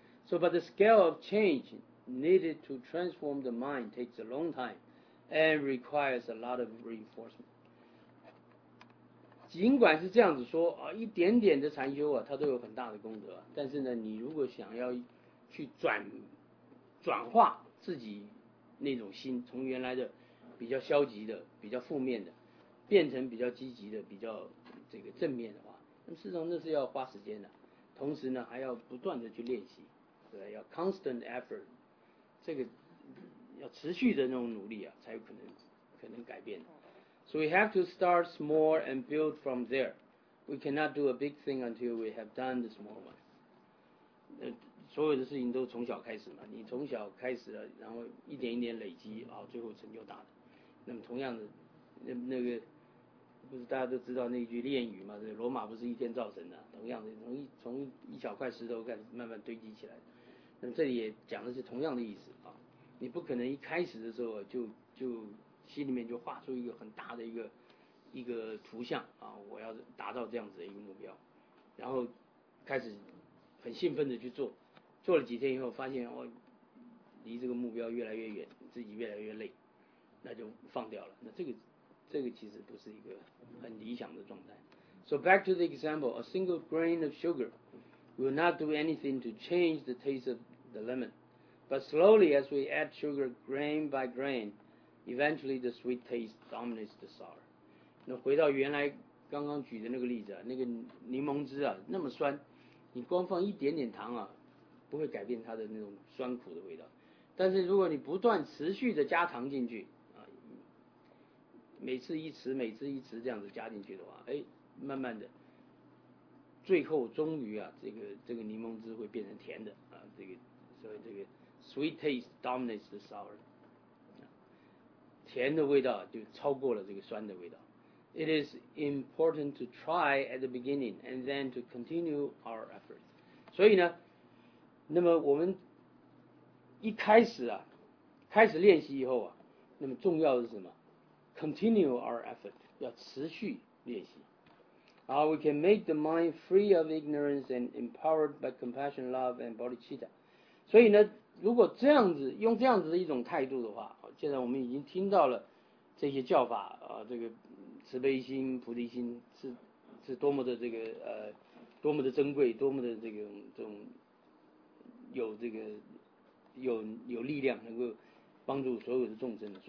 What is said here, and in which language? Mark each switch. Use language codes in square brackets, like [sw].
[en] So, but the scale of change needed to transform the mind takes a long time and requires a lot of reinforcement. [zh] 尽管是这样子说啊，一点点的禅修啊，它都有很大的功德。但是呢，你如果想要去转化自己那种心，从原来的比较消极的、比较负面的，变成比较积极的、比较这个正面的话，那么事实上那是要花时间的。同时呢，还要不断的去练习，对，要 [en] constant effort， [zh] 这个要持续的那种努力啊，才有可能改变的。 [en] So we have to start small and build from there. We cannot do a big thing until we have done the small one. [zh] 所有的事情都从小开始嘛，你从小开始了，然后一点一点累积，啊，最后成就大的。那么同样的，那个不是大家都知道那句谚语嘛？这罗马不是一天造成的，同样的，从一小块石头开始慢慢堆积起来。那这里也讲的是同样的意思啊，你不可能一开始的时候就心里面就画出一个很大的一个图像啊，我要达到这样子的一个目标，然后开始很兴奋的去做，做了几天以后发现哦，离这个目标越来越远，自己越来越累，那就放掉了。那这个其实不是一个很理想的状态。 [en] So back to the example, a single grain of sugar will not do anything to change the taste of the lemon, but slowly as we add sugar grain by grain, eventually the sweet taste dominates the sour. [zh] 那回到原来刚刚举的那个例子啊，那个柠檬汁啊那么酸，你光放一点点糖啊，不会改变它的那种酸苦的味道。但是如果你不断持续的加糖进去啊，每次一匙每次一匙这样子加进去的话，哎，慢慢的，最后终于啊，这个柠檬汁会变成甜的啊，这个所以这个 [en] sweet taste dominates the sour， [zh] 甜的味道就超过了这个酸的味道。 [en] It is important to try at the beginning and then to continue our efforts. [zh] 所以呢，那么我们一开始啊，开始练习以后啊，那么重要的是什么？ [en] Continue our effort， [zh] 要持续练习。 [en] We can make the mind free of ignorance and empowered by compassion, love, and bodhicitta. [zh] 所以呢，如果这样子用这样子的一种态度的话，现在我们已经听到了这些教法啊，这个慈悲心、菩提心是多么的这个多么的珍贵，多么的这种有这个有力量，能够帮助所有的众生的。